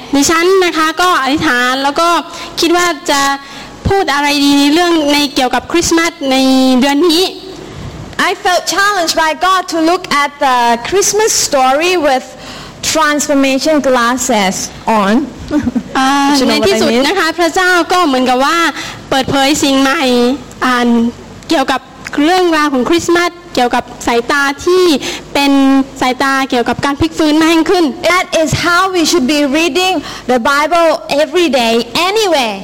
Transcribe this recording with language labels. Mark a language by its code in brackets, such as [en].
[th] ดิฉันนะคะก็อธิษฐานแล้วก็คิดว่าจะพูดอะไรดีเรื่องในเกี่ยวกับคริสต์มาสในเดือนนี้ [en] I felt challenged by God to look at the Christmas story withTransformation glasses on. [th] ในที่สุดนะคะพระเจ้าก็เหมือนกับว่าเปิดเผยสิ่งใหม่เกี่ยวกับเรื่องราวของคริสต์มาสเกี่ยวกับสายตาที่เป็นสายตาเกี่ยวกับการพลิกฟื้นมาแห่งขึ้น [en] That is how we should be reading the Bible every day, anyway.